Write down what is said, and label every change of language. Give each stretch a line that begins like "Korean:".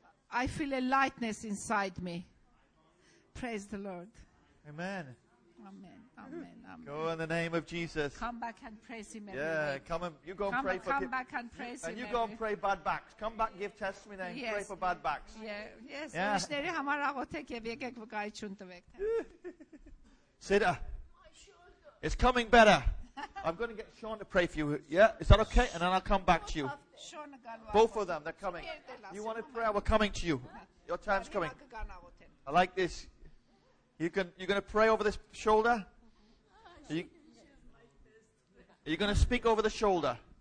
English: I feel a lightness inside me. Praise the Lord. Amen. Amen. Amen. Amen. Go in the name of Jesus. Come back and praise Him. Yeah, come and you go and pray for Him. Come back and praise Him. And you go and pray bad backs. Come back, give testimony, and pray for bad backs. Yeah. Yes.
Armenian: Ուշների համար աղոթեք եւ եկեք վկայի ճուն տվեք։
English: Sita. It's coming better. I'm going to get Sean to pray for you. Yeah, is that okay? And then I'll come back to you. Both of them, they're coming. You want to pray? We're coming to you. Your time's coming. I like this. You're going to pray over this shoulder? Are you going to speak over the shoulder?